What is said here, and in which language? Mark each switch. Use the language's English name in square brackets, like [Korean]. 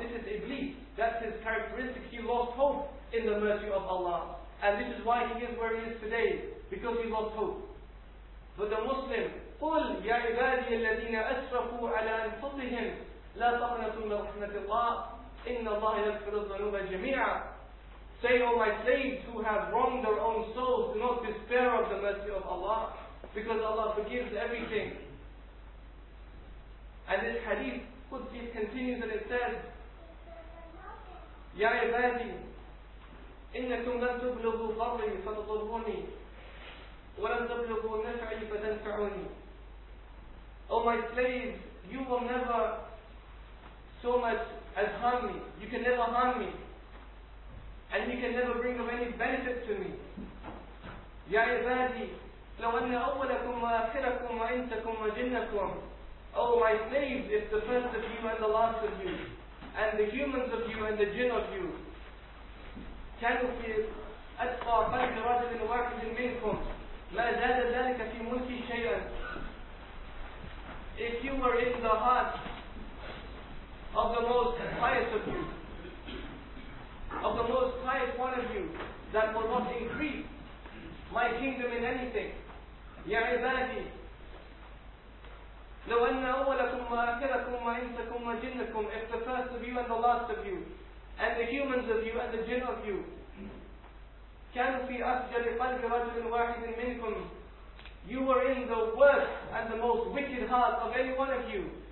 [English] This is Iblis, that's his characteristic. He lost hope in the mercy of Allah. And this is why he is where he is today, because he lost hope. But the Muslim, [Arabic] قل يا عبادي الذين أسرفوا على أنفسهم لا تقنطوا من رحمة الله. إِنَّ اللَّهَ يَغْفِرُ الذُّنُوبَ جَمِيعًا. [English] Say, O my slaves who have wronged their own souls, do not despair of the mercy of Allah, because Allah forgives everything. And this hadith, Qudsi, continues and it says, [Arabic] يَا عِبَادِي إِنَّكُمْ لَنْ تُبْلُغُوا فَضْلِي فَتُطُرُّونِي وَلَنْ تُبْلُغُوا نَفْعِي فَتَنْفَعُونِي. [English] O my slaves, you will never so much as harm me. You can never harm me. And you can never bring of any benefit to me. [Arabic] Ya ibadi, لو أن أولكم وآخركم وإنسكم وجنكم. [English] Oh my slaves, if the first of you and the last of you, and the humans of you and the jinn of you, [Arabic] كانوا في أتقى قلب رجل واحد منكم ما زاد ذلك في ملكي شيئا. [English] If you were in the heart of the most pious of you, of the most pious one of you, that will not increase my kingdom in anything. [Arabic] Ya ibadi, لو أن أولكم وآخركم وإنسكم وجنكم. [English] If the first of you and the last of you, and the humans of you and the jinn of you, [Arabic] كانوا في أسجل قلب رجل واحد منكم, [English] you were in the worst and the most wicked heart of any one of you,